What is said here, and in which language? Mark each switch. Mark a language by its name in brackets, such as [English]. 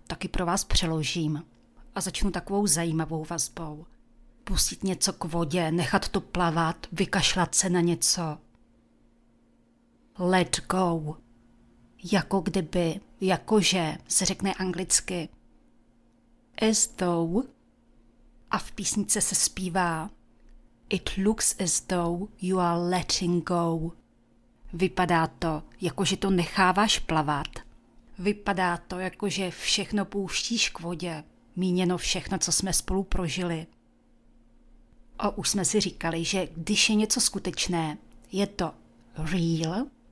[Czech] Taky pro vás přeložím. A začnu takovou zajímavou vazbou. Pustit něco k vodě, nechat to plavat, vykašlat se na něco. [English] Let go. [Czech] Jako kdyby, jakože, se řekne anglicky. [English] As though. [Czech] A v písnice se zpívá. [English] It looks as though you are letting go. [Czech] Vypadá to, jakože to necháváš plavat. Vypadá to, jakože všechno pouštíš k vodě. Míněno všechno, co jsme spolu prožili. A už jsme si říkali, že když je něco skutečné, je to real.